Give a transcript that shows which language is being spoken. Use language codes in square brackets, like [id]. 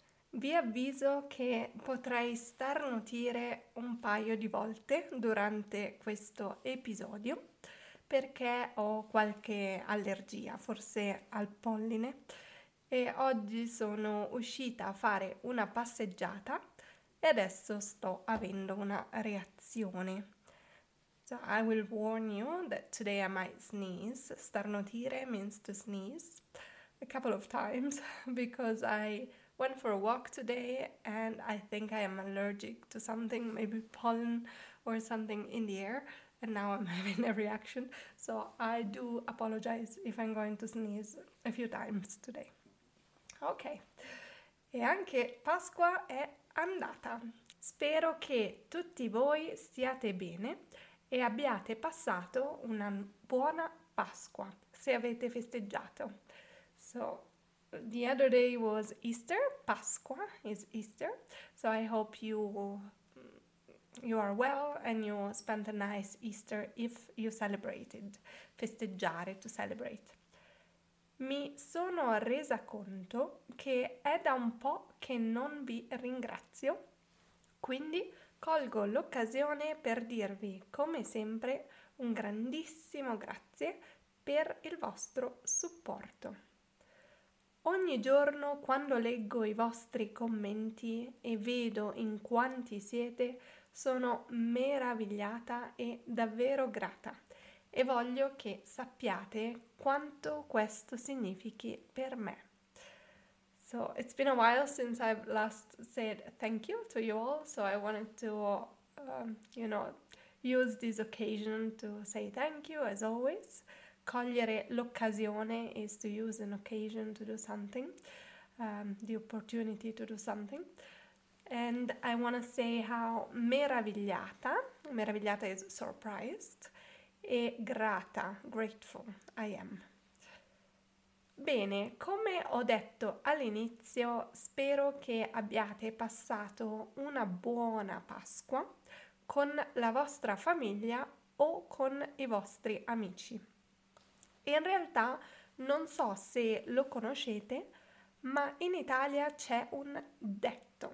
[it] Vi avviso che potrei starnutire un paio di volte durante questo episodio perché ho qualche allergia, forse al polline. E oggi sono uscita a fare una passeggiata e adesso sto avendo una reazione. [en] So I will warn you that today I might sneeze. Starnutire means to sneeze a couple of times because I went for a walk today and I think I am allergic to something, maybe pollen or something in the air, and now I'm having a reaction. So I do apologize if I'm going to sneeze a few times today. [it] Ok, e anche Pasqua è andata. Spero che tutti voi stiate bene e abbiate passato una buona Pasqua, se avete festeggiato. [en] So, the other day was Easter, Pasqua is Easter, so I hope you are well and you spent a nice Easter if you celebrated, festeggiare, to celebrate. [it] Mi sono resa conto che è da un po' che non vi ringrazio, quindi colgo l'occasione per dirvi, come sempre, un grandissimo grazie per il vostro supporto. Ogni giorno, quando leggo i vostri commenti e vedo in quanti siete, sono meravigliata e davvero grata. E voglio che sappiate quanto questo significhi per me. [en] So it's been a while since I've last said thank you to you all, so I wanted to, you know, use this occasion to say thank you as always. Cogliere l'occasione is to use an occasion to do something, the opportunity to do something. And I want to say how meravigliata is surprised, e grata, grateful, I am. [it] Bene, come ho detto all'inizio, spero che abbiate passato una buona Pasqua con la vostra famiglia o con i vostri amici. In realtà, non so se lo conoscete, ma in Italia c'è un detto.